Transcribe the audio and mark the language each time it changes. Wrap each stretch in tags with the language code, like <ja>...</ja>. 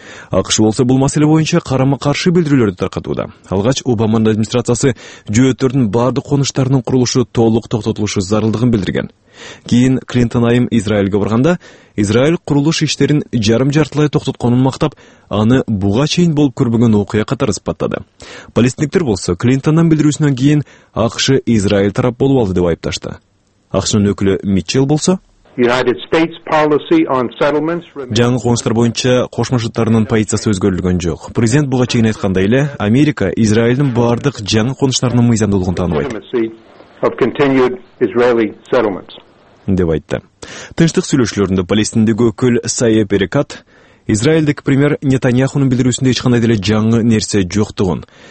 <ky>АКШ болсо бул маселе боюнча карама каршы билдирүүлөрдү таркатууда. Алгач Обаманын администрациясы жөөттөрдүн баардык конуштарынын курулушу толук токтотулушу зарылдыгын билдирген. Кийин Клинтон айым Израилге барганда Израиль курулуш иштерин жарым жартылай токтотконун мактап, аны буга чейин болуп көрбөгөн окуя катары сыпаттады. Палестиниктер болсо Клинтондун билдирүүсүнөн кийин АКШ Израиль тарап болуп алды деп айыпташты. АКШнын өкүлү Митчелл болсо</ky> <en>United States policy on settlements remains.</en> <ky>Жаңы конуштар боюнча Кошмо Штаттардын позициясы өзгөрүлгөн жок. Президент буга чейин айткандай эле Америка Израилдин баардык жаңы конуштарынын мыйзамдуулугун тааныбайт, деп айтты. Тынчтык сүйлөшүүлөрүндө Палестиндеги өкүл Сайе Перекат Израилдик премьер Нетаньяхунун билдирүүсүндө эч кандай деле жаңы нерсе жоктугун,</ky>